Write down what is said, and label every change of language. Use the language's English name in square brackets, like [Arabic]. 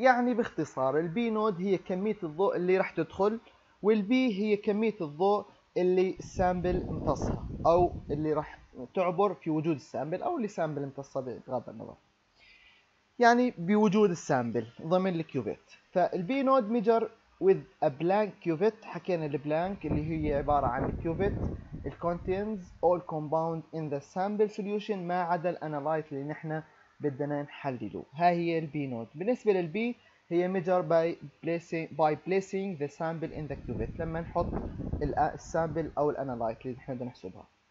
[Arabic] يعني باختصار البي نود هي كميه الضوء اللي راح تدخل، والبي هي كميه الضوء اللي السامبل امتصها او اللي راح تعبر في وجود السامبل او اللي سامبل امتصها بغض النظر، يعني بوجود السامبل ضمن الكيوفيت. [English] فالبي نود measure with a blank cuvette. [Arabic] حكينا البلانك اللي هي عبارة عن [English] cuvette contains all compound in the sample solution [Arabic] ما عدا الانالايت اللي نحنا بدنا نحلله. ها هي البي نود. بالنسبة للبي هي [English] measure by placing the sample in the cuvette، [Arabic] لما نحط السامبل او الانالايت اللي نحنا بدنا نحسبها.